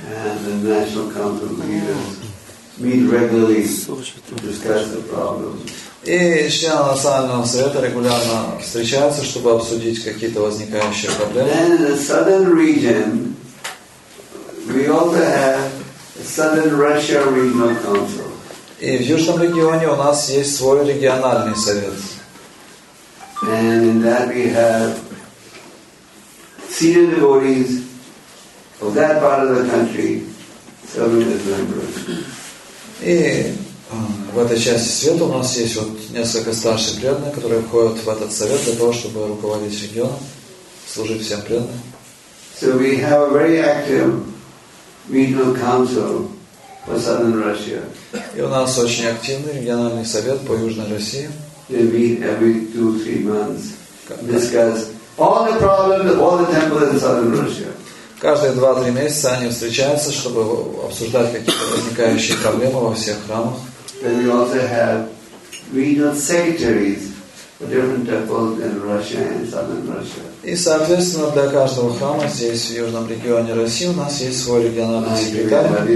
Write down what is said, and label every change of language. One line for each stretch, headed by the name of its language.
English: And the national council leaders meet regularly to discuss the problems.
Russian: И члены национального совета регулярно встречаются, чтобы обсудить какие-то возникающие проблемы.
English: Then in the southern region, we also have a Southern Russia Regional Council.
Russian: И в южном регионе у нас есть свой региональный совет.
English: And in that we have senior devotees of that part of the country serving as members.
Russian: И в этой части света у нас есть вот несколько старших преданных, которые входят в этот совет для того, чтобы руководить регионом, служить всем преданным.
English: So we have a very active regional council for Southern Russia.
Russian: И у нас очень активный региональный совет по Южной России.
English: They meet every 2-3 months. Discuss all the problems of all the temples in Southern Russia.
Russian: Каждые 2-3 месяца они встречаются, чтобы обсуждать какие-то возникающие проблемы во всех храмах.
English: Then we also have regional secretaries for different temples in Russia and Southern Russia.
Russian: И, соответственно, для каждого храма здесь, в Южном регионе России, у нас есть свой региональный секретарь.